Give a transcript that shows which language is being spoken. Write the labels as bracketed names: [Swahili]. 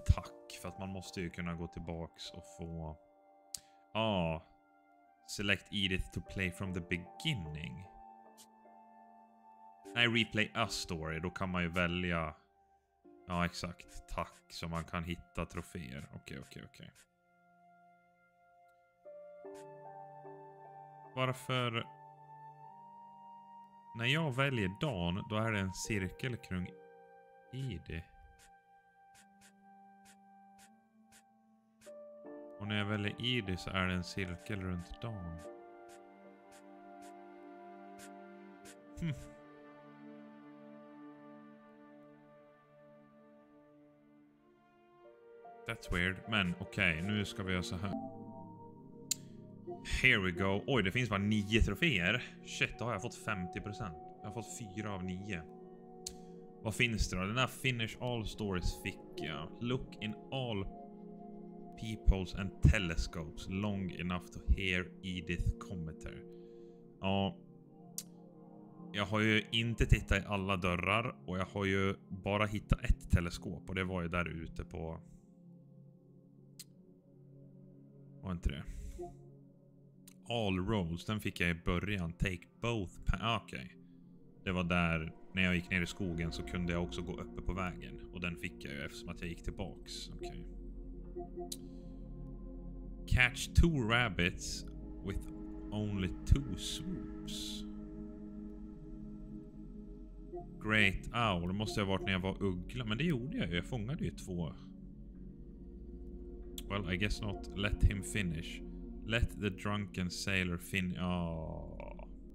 [Swedish] Tack, för att man måste ju kunna gå tillbaks och få... [English] Ah, select Edith to play from the beginning. [Swedish] Nej, [English] replay a story, [Swedish] då kan man ju välja... Ja, exakt, tack, så man kan hitta troféer. Okej. Varför... När jag väljer Dan, då är det en cirkel kring Edith. Och när jag väljer Edith så är det en cirkel runt Dan. [English] That's weird, [Swedish] men okej, nu ska vi göra så här. [English] Here we go. [Swedish] Oj, det finns bara 9 troféer. [English] Shit, [Swedish] då har jag fått 50%. Jag har fått 4 av 9. Vad finns det då? Den här Finish All Stories fick jag. [English] Look in all peoples and telescopes long enough to hear Edith commenter. [Swedish] Ja. Jag har ju inte tittat i alla dörrar. Och jag har ju bara hittat ett teleskop. Och det var ju där ute på... Var inte det? All roads, den fick jag i början. [English] Take both. [Swedish] Okej. Det var där, när jag gick ner i skogen så kunde jag också gå uppe på vägen. Och den fick jag ju eftersom att jag gick tillbaks. Okej. [English] Catch 2 rabbits with only 2 swoops. Great owl. [Swedish] Det måste ha varit när jag var uggla. Men det gjorde jag ju. Jag fångade ju 2. [English] Well, I guess not. Let him finish. Let the drunken sailor fin... Oh.